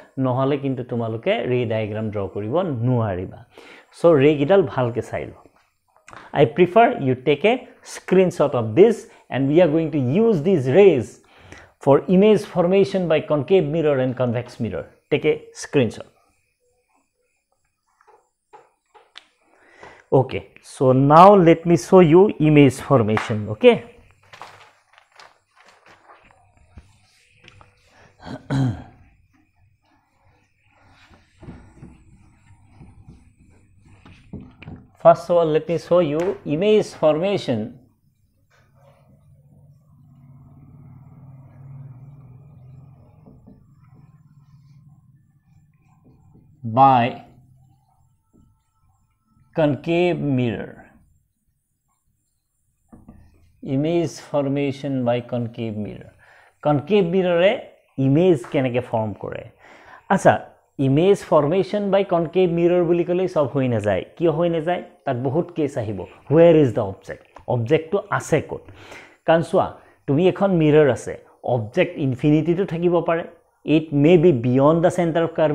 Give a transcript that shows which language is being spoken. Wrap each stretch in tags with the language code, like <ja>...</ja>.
<as>নহ'লে কিন্তু তোমালোকে ৰে ডায়েগ্ৰাম ড্ৰ কৰিব নোৱাৰিবা চ' ৰেকেইডাল ভালকৈ চাই লওক</as> <en>I prefer you take a screenshot of this and we are going to use these rays for image formation by concave mirror and convex mirror. Take a screenshot. Okay, so now let me show you image formation, okay? First of all, let me show you image formation by concave mirror. Image formation by concave mirror.</en> <as>Concave mirror re image kenake form kore. Acha image formation by concave মিৰৰ বুলি ক'লেই চব হৈ নাযায় কিয় হৈ নাযায় তাত বহুত কেছ আহিব</as> <en>where is the object</en> <as>অবজেক্টটো আছে ক'ত কাৰণ চোৱা তুমি এখন মিৰৰ আছে অবজেক্ট ইনফিনিটিটো থাকিব পাৰে</as> <en>it may be beyond the centre of</en>